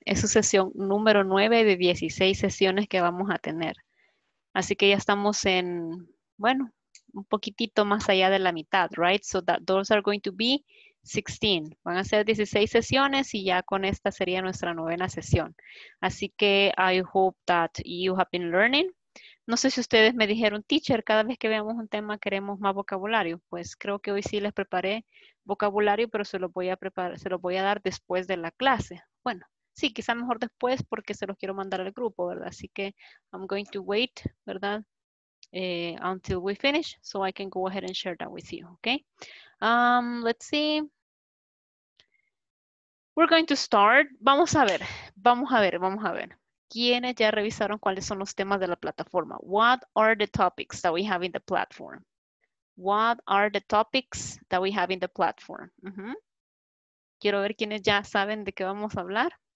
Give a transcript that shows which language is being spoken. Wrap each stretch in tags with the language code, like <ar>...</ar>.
<es>Es su sesión número 9 de 16 sesiones que vamos a tener. Así que ya estamos en, bueno, un poquitito más allá de la mitad, right?</es> <en>So that those are going to be 16.</en> <es>Van a ser 16 sesiones y ya con esta sería nuestra novena sesión. Así que</es> <en>I hope that you have been learning.</en> <es>No sé si ustedes me dijeron, teacher, cada vez que veamos un tema queremos más vocabulario. Pues creo que hoy sí les preparé vocabulario, pero se lo voy a dar después de la clase. Bueno, sí, quizá mejor después porque se los quiero mandar al grupo, ¿verdad? Así que</es> <en>I'm going to wait, ¿verdad? Until we finish, so I can go ahead and share that with you, okay? Let's see. We're going to start.</en> <es>Vamos a ver, vamos a ver, vamos a ver. ¿Quiénes ya revisaron cuáles son los temas de la plataforma?</es> <en>What are the topics that we have in the platform? What are the topics that we have in the platform? Mm-hmm.</en> <es>Quiero ver quiénes ya saben de qué vamos a hablar.</es>